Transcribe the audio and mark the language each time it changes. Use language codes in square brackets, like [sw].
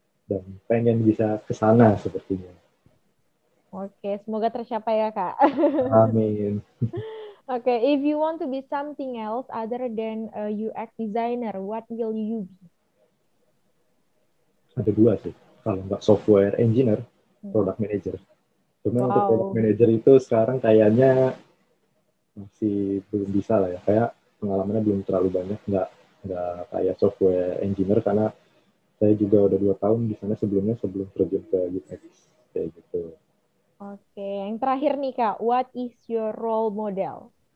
[id] Dan pengen bisa ke sana sepertinya. Oke, semoga tercapai ya Kak. Amin. [en] Oke, if you want to be something else other than a UX designer, what will you be? [id] Ada dua sih. Kalau nggak software engineer, product manager. Cuma wow. Untuk product manager itu sekarang kayaknya masih belum bisa lah ya. Kayak pengalamannya belum terlalu banyak. Nggak kayak software engineer karena saya juga udah 2 tahun di sana sebelum terjun ke UX, kayak gitu. Oke, yang terakhir nih Kak, [en] what is your role model?